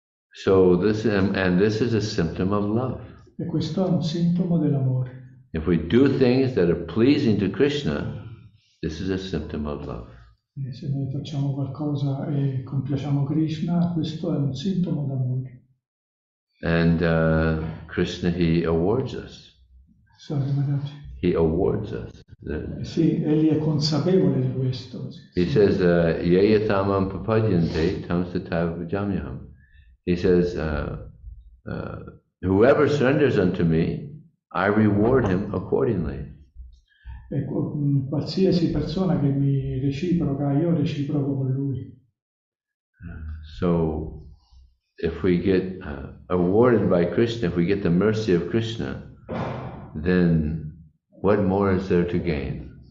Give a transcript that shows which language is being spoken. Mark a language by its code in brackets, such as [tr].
[en] So this and this is a symptom of love. [it] E questo è un sintomo dell'amore. [en] If we do things that are pleasing to Krishna, this is a symptom of love. [it] E se noi facciamo qualcosa e compiacciamo Krishna, questo è un sintomo d'amore. [en] And Krishna, he awards us. Sorry, madame. He awards us. [it] Sì, egli è consapevole di questo. Sì. [en] He says, [sa] yayatamam papajyante tamsatava vajamyam. [en] He says, whoever surrenders unto me, I reward him accordingly. [it] Qualsiasi persona che mi reciproca, io reciproco con lui. [en] So, if we get awarded by Krishna, if we get the mercy of Krishna, then what more is there to gain?